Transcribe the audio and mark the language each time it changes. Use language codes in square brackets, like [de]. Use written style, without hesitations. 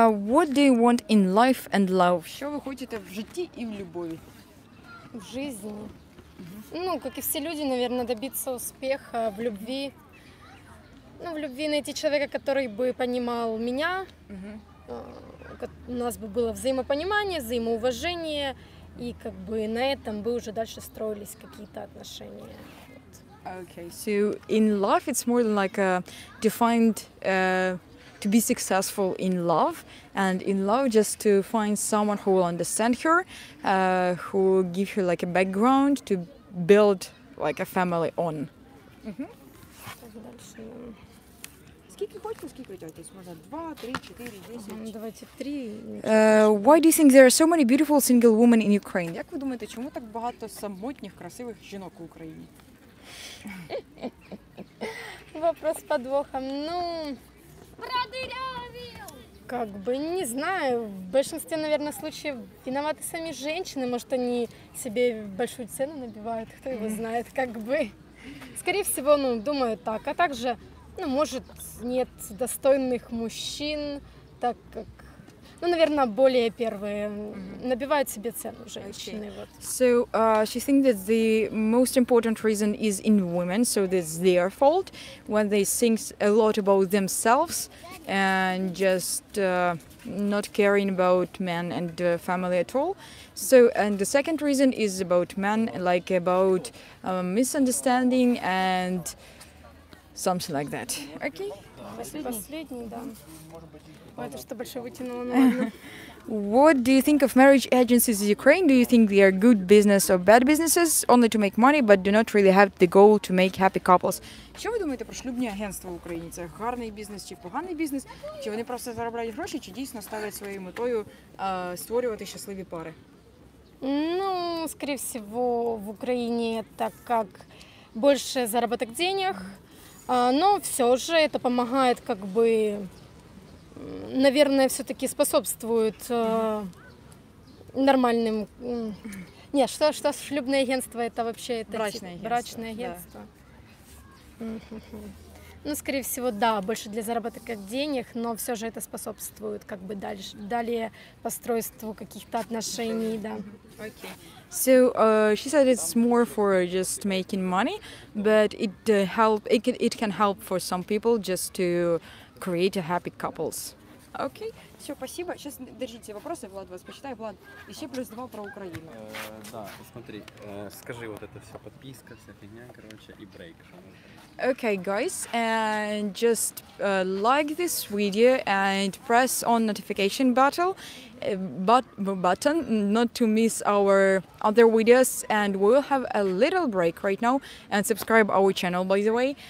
[en] What do you want in life and love? [uk] Що ви хочете в житті і в любові? [ru] В жизни. [uk] Mm-hmm. Ну, як і всі люди, [ru] наверное, добиться [uk] успіху в любові. [ru] Ну, в любви найти человека, который бы понимал меня, у нас бы было взаимопонимание, взаимоуважение, и как бы на этом бы уже дальше строились какие-то отношения. [en] Okay, so in love it's more than like a defined to be successful in love, and in love just to find someone who will understand her, who will give her like a background to build like a family on. Mm-hmm. [uk] Скільки хочете, скільки хочете? Можна 2, 3, 4, 10? Давайте 3. [en] Why do you think there are so many beautiful single women in Ukraine? [uk] Як ви думаєте, чому так багато самотніх, красивих жінок в Україні? [ru] Вопрос подвохом. Ну, продырявил! Как бы, не знаю, в большинстве, наверное, случаев виноваты сами женщины. Может, они себе большую цену набивают, кто его знает, как бы. Скорее всего, ну, думаю так, а также... Ну, может, нет достойных мужчин, так как, ну, наверное, более первые набивают себе цену женщины. Okay. Вот. [en] So, she thinks that the most important reason is in women, so that's their fault, when they think a lot about themselves and just not caring about men and family at all. So, and the second reason is about men, like about misunderstanding and... Something like that. [ru] Okay. Последний, да. Ой, это что, большое вытянуло, ну ладно. [en] What do you think of marriage agencies in Ukraine? Do you think they are good business or bad businesses, only to make money, but do not really have the goal to make happy couples? [uk] Що ви думаєте про шлюбні агентства в Україні? Це гарний бізнес чи поганий бізнес? Чи вони просто заробляють гроші, чи дійсно ставлять своєю метою створювати щасливі пари? Ну, скоріше всього, в Україні так як більше заробляток денег. [ru] Но все же это помогает, как бы, наверное, все-таки способствует нормальным... Нет, что, что шлюбное агентство, это вообще... Это брачное агентство. Брачное агентство. Да. Ну, скорее всего, да, больше для заработка денег, но все же это способствует, как бы, дальше, далее построению каких-то отношений, да. Окей. [en] So she said it's more for just making money, but it help it can help for some people just to create a happy couples. [ru] Okay. Все, спасибо. Сейчас держите вопросы, Влад, вас почитаю. Влад, еще плюс два про Украину. Да, смотри, скажи вот это все подписка, вся фигня, короче, и брейк. [en] Okay, guys, and just like this video and press on notification button button not to miss our other videos, and we will have a little break right now, and subscribe our channel, by the way.